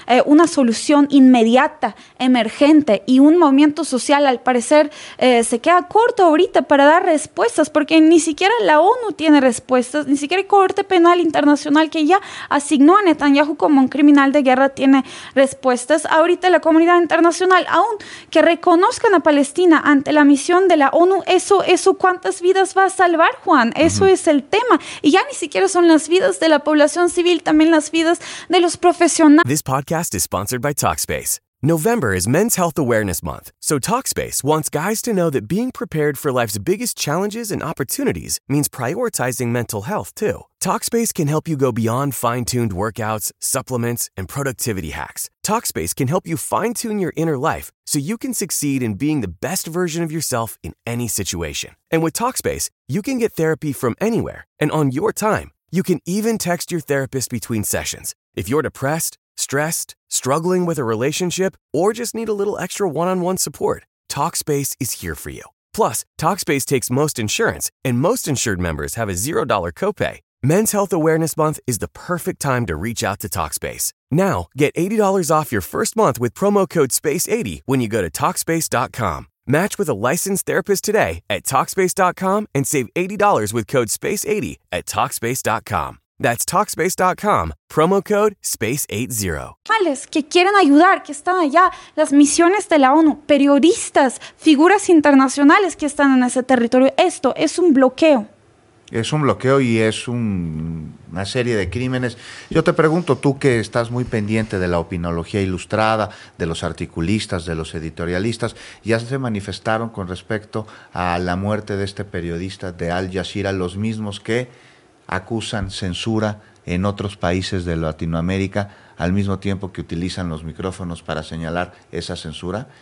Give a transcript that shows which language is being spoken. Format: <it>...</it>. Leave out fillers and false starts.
<es>una solución inmediata, emergente, y un movimiento social al parecer se queda corto ahorita para dar respuestas, porque ni siquiera la ONU tiene respuestas, ni siquiera el Corte Penal Internacional que ya asignó a Netanyahu como un criminal de guerra tiene respuestas. Ahorita la comunidad internacional, aun que reconozcan a Palestina ante la misión de la ONU, eso ¿cuántas vidas va a salvar, Juan? Eso es el tema. Y ya ni siquiera son las vidas de la población civil, también las vidas de los profesionales.</es> <en>This podcast is sponsored by Talkspace. November is Men's Health Awareness Month, so Talkspace wants guys to know that being prepared for life's biggest challenges and opportunities means prioritizing mental health, too. Talkspace can help you go beyond fine-tuned workouts, supplements, and productivity hacks. Talkspace can help you fine-tune your inner life so you can succeed in being the best version of yourself in any situation. And with Talkspace, you can get therapy from anywhere and on your time. You can even text your therapist between sessions. If you're depressed, stressed, struggling with a relationship, or just need a little extra one-on-one support, Talkspace is here for you. Plus, Talkspace takes most insurance, and most insured members have a $0 copay. Men's Health Awareness Month is the perfect time to reach out to Talkspace. Now, get $80 off your first month with promo code SPACE80 when you go to Talkspace.com. Match with a licensed therapist today at Talkspace.com and save $80 with code SPACE80 at Talkspace.com. That's Talkspace.com, promo code SPACE80.</en> <es>Que quieren ayudar, que están allá, las misiones de la ONU, periodistas, figuras internacionales que están en ese territorio. Esto es un bloqueo. Es un bloqueo y es una serie de crímenes. Yo te pregunto, tú que estás muy pendiente de la opinología ilustrada, de los articulistas, de los editorialistas, ¿ya se manifestaron con respecto a la muerte de este periodista de Al Jazeera, los mismos que acusan censura en otros países de Latinoamérica al mismo tiempo que utilizan los micrófonos para señalar esa censura?</es>